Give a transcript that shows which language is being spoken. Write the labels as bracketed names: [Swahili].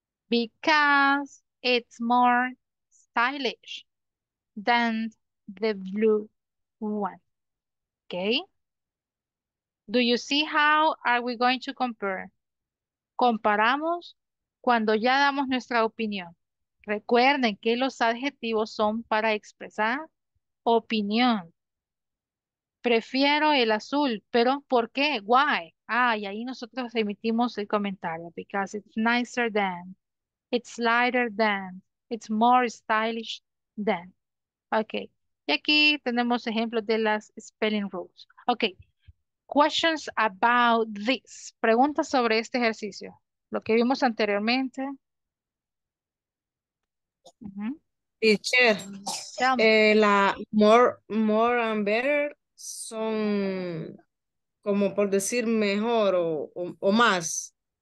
[English] Because it's more stylish than the blue one. Okay? Do you see how are we going to compare? [Spanish] Comparamos cuando ya damos nuestra opinión. Recuerden que los adjetivos son para expresar opinión. Prefiero el azul, pero ¿por qué? Why? Ah, y ahí nosotros emitimos el comentario. [English] Because it's nicer than, it's lighter than, it's more stylish than. [Spanish] Ok, y aquí tenemos ejemplos de las spelling rules. [English] Ok, questions about this. [Spanish] Preguntas sobre este ejercicio. Lo que vimos anteriormente. Teacher, la more and better son como por decir mejor o más.